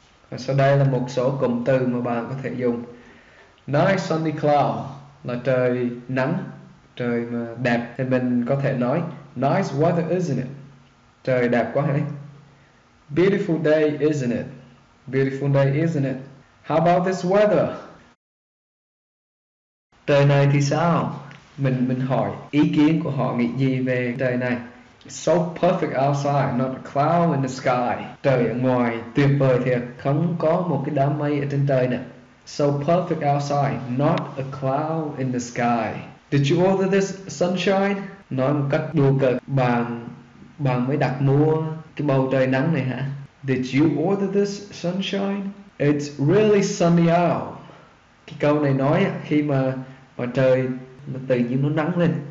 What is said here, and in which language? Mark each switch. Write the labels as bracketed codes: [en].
[vi] Và sau đây là một số cụm từ mà bạn có thể dùng. [en] Nice sunny cloud [vi] là trời nắng, trời mà đẹp thì mình có thể nói [en] Nice weather, isn't it? [vi] Trời đẹp quá hả? [en] Beautiful day, isn't it? Beautiful day, isn't it? How about this weather? [vi] Trời này thì sao? Mình hỏi ý kiến của họ nghĩ gì về trời này. [en] So perfect outside, not a cloud in the sky. [vi] Trời ở ngoài tuyệt vời thiệt, không có một cái đám mây ở trên trời nè. [en] So perfect outside, not a cloud in the sky. Did you order this sunshine? [vi] Nói một cách đùa cợt, bạn mới đặt mua cái bầu trời nắng này hả? [en] Did you order this sunshine? It's really sunny out. [vi] Cái câu này nói khi mà trời mà tự nhiên nó nắng lên.